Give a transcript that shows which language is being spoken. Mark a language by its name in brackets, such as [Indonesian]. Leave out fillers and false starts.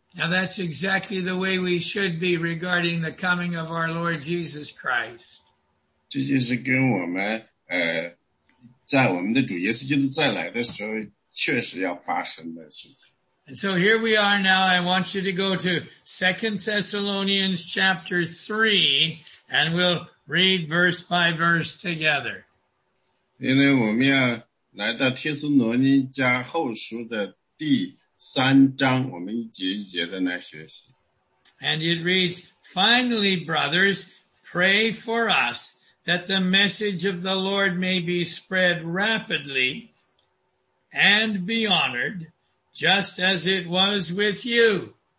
[English] Now that's exactly the way we should be regarding the coming of our Lord Jesus Christ. [Chinese] 这就是跟我们，在我们的主耶稣基督再来的时候，确实要发生的事情。 [English] And so here we are now. I want you to go to 2 Thessalonians chapter 3, and we'll read verse by verse together. [Chinese] 因为我们要来到帖撒罗尼迦后书的第 三章，我们一节一节的来学习。 [English] And it reads, Finally, brothers, pray for us that the message of the Lord may be spread rapidly and be honored, just as it was with you.